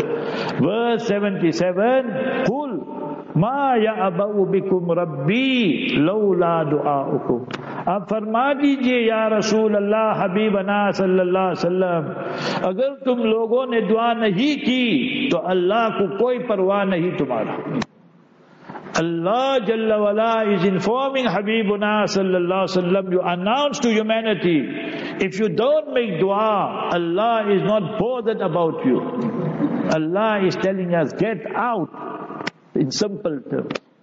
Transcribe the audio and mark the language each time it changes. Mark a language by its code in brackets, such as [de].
[ar] Verse 77, قُلْ مَا يَعْبَأُ بِكُمْ رَبِّي لَوْلَا دُعَاءُكُمْ. [ur] اب فرما دیجئے یا رسول اللہ حبیبنا صلی اللہ علیہ وسلم, اگر تم لوگوں نے دعا نہیں کی تو اللہ کو کوئی پرواہ نہیں تمہارا. [en] Allah Jalla Wala is informing Habibuna Sallallahu Alaihi Wasallam, you announce to humanity, if you don't make dua, Allah is not bothered about you. Allah is telling us, get out, in simple terms.